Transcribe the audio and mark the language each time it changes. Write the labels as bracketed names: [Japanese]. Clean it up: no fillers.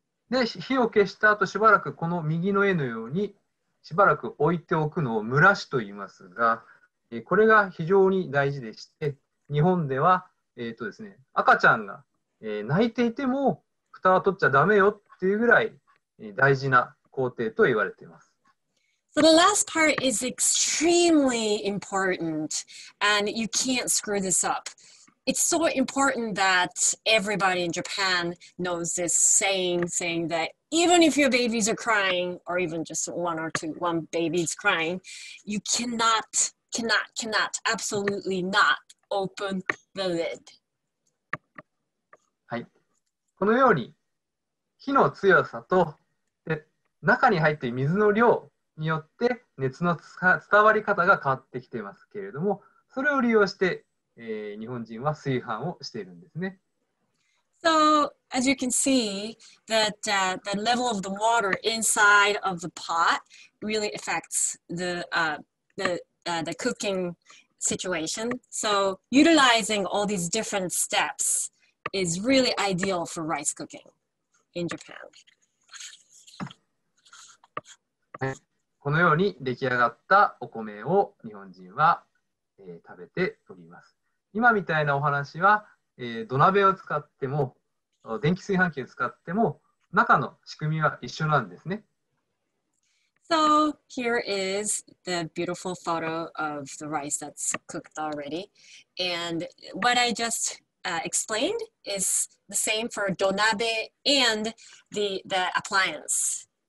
[Japanese] で、火を消した後、しばらくこの右の絵のように、しばらく置いておくのを蒸らしと言いますが、これが非常に大事でして、日本では、ですね、赤ちゃんが、泣いていても蓋は取っちゃダメよっていうぐらい、大事な工程と言われています。 [English] So the last part is extremely important and you can't screw this up. It's so important that everybody in Japan knows this saying that even if your babies are crying, or even just one or two, one baby's crying, you cannot, absolutely not open the lid. [Japanese] はい。このように火の強さと、で、中に入っている水の量によって熱の伝わり方が変わってきていますけれども、それを利用して、日本人は炊飯をしているんですね。 [English] So, as you can see, that, the level of the water inside of the pot really affects the cooking situation. So, utilizing all these different steps is really ideal for rice cooking in Japan. [Japanese] このように出来上がったお米を日本人は、食べております。今みたいなお話は、土鍋を使っても電気炊飯器を使っても中の仕組みは一緒なんですね。 [English] So here is the beautiful photo of the rice that's cooked already. And what I just explained is the same for 土鍋 and the appliance.